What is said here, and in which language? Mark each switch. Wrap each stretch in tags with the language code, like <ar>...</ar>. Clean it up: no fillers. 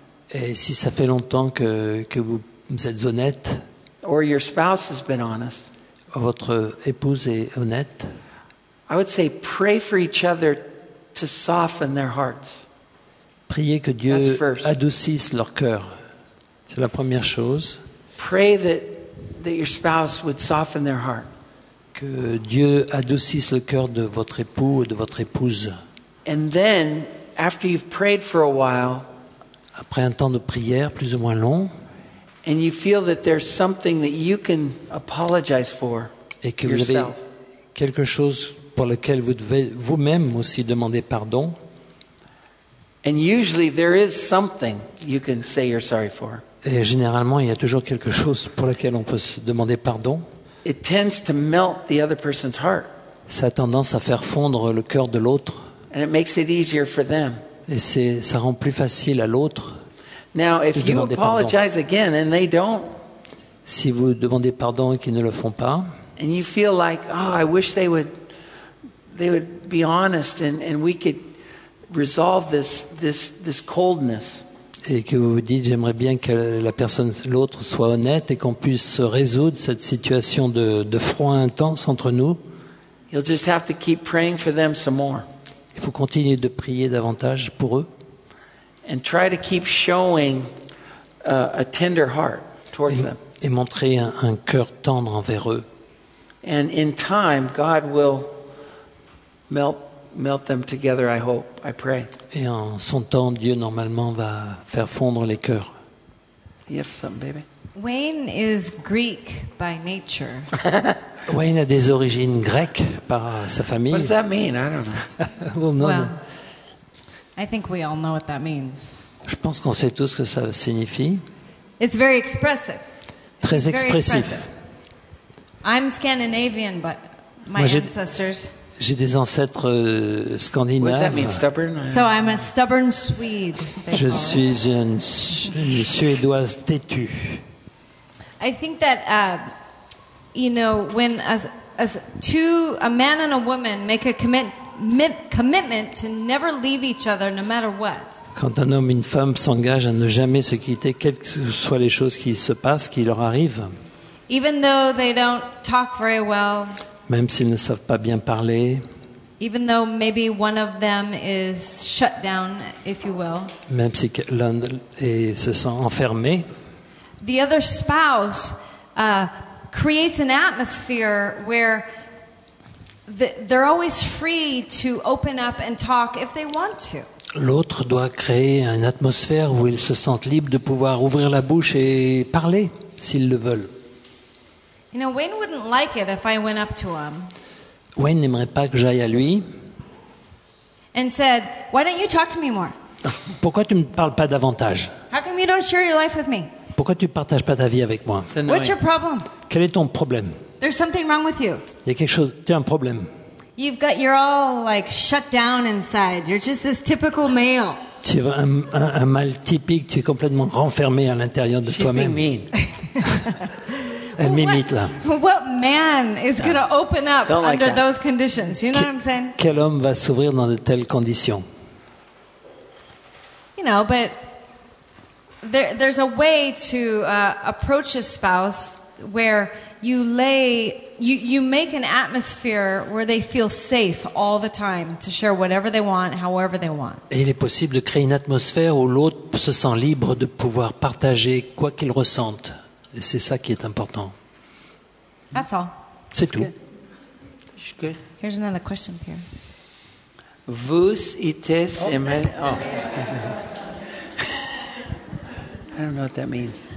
<fr>Et si ça fait longtemps que vous êtes honnête,</fr> <en>or your spouse has been honest,</en> <fr>votre épouse est honnête,</fr> <en>I would say pray for each other to soften their hearts.</en> <fr>Priez que Dieu adoucisse leur cœur. C'est la première chose.</fr> <en>Pray that your spouse would soften their heart.</en> <fr>Que Dieu adoucisse le cœur de votre époux ou de votre épouse.</fr> <en>And then, after you've prayed for a while,</en> <fr>après un temps de prière plus ou moins long,</fr> <en>and you feel that there's something that you can apologize for,</en> <fr>et que vous avez quelque chose pour lequel vous devez vous-même aussi demander pardon.</fr> <en>And usually there is something you can say you're sorry for.</en> <fr>Et généralement, il y a toujours quelque chose pour lequel on peut se demander pardon.</fr> <en>It tends to melt the other person's heart.</en> <fr>Ça a tendance à faire fondre le cœur de l'autre.</fr> <en>And it makes it easier for them.</en> <fr>Et ça rend plus facile à l'autre.</fr> <en>Now, if you apologize again and they don't,</en> <fr>si vous demandez pardon et qu'ils ne le font pas,</fr> <en>and you feel like, oh, I wish they would be honest and we could resolve this coldness.</en> <fr>Et que vous vous dites, j'aimerais bien que la personne, l'autre, soit honnête et qu'on puisse résoudre cette situation de froid intense entre nous.</fr> <en>You'll just have to keep praying for them some more.</en> <fr>Il faut continuer de prier davantage pour eux.</fr> <en>And try to keep showing a tender heart towards them.</en> <fr>Et montrer un cœur tendre envers eux.</fr> <en>And in time, God will melt them together, I hope, I pray.</en> <fr>Et en son temps, Dieu normalement va faire fondre les cœurs.</fr> <en>Yes, some baby. Wayne is Greek by nature.</en> <fr>Wayne a des origines grecques par sa famille.</fr> <en>What does that mean? I don't know. Well, no. I think we all know what that means.</en> <fr>Je pense qu'on sait tous ce que ça signifie.</fr> <en>It's very expressive.</en> <fr>Très expressif.</fr> <en>I'm Scandinavian, but my ancestors.</en> <fr>J'ai des ancêtres scandinaves.</fr> <en>What does that mean, stubborn? So I'm a stubborn Swede.</en> <fr>Je suis une suédoise têtue.</fr> <en>I think that you know, when a man and a woman make a commitment to never leave each other no matter what.</en> <fr>Quand un homme et une femme s'engagent à ne jamais se quitter, quelles que soient les choses qui se passent, qui leur arrivent.</fr> <en>Even though they don't talk very well.</en> <fr>Même s'ils ne savent pas bien parler.</fr> <en>Even though maybe one of them is shut down, if you will.</en> <fr>Même si l'un se sent enfermé.</fr> <en>The other spouse creates an atmosphere where they're always free to open up and talk if they want to.</en> <fr>L'autre doit créer une atmosphère où ils se sentent libres de pouvoir ouvrir la bouche et parler s'ils le veulent.</fr> <en>You know, Wayne wouldn't like it if I went up to him.</en> <fr>Wayne n'aimerait pas que j'aille à lui.</fr> <en>And said, "Why don't you talk to me more?"</en> <fr>Pourquoi tu me parles pas davantage?</fr> <en>How come you don't share your life with me?</en> <fr>Pourquoi tu partages pas ta vie avec moi?</fr> <en>What's your problem?</en> <fr>Quel est ton problème?</fr> <en>There's something wrong with you.</en> <fr>Il y a quelque chose, tu as un problème.</fr> <en>You've got, you're all like shut down inside. You're just this typical male.</en> <fr>Tu es un mâle typique, tu es complètement renfermé à l'intérieur de</fr> <en>She's</en> <fr>toi-même.</fr> <en>Being mean.</en> <fr>Elle m'imite là.</fr> <en>What man is going to open up like under Those conditions? You know what I'm saying?</en> <fr>Quel homme va s'ouvrir dans de telles conditions?</fr> <en>You know, but there's a way to approach a spouse where you lay, you make an atmosphere where they feel safe all the time to share whatever they want, however they want.</en> <fr>Et il est possible de créer une atmosphère où l'autre se sent libre de pouvoir partager quoi qu'il ressente. Et c'est ça qui est important.</fr> <en>That's all.</en> <fr>C'est tout.</fr> <en>Good. Here's another question, Pierre.</en> <fr>Vous étiez aimé.</fr> <en>Oh. I don't know what that means.</en>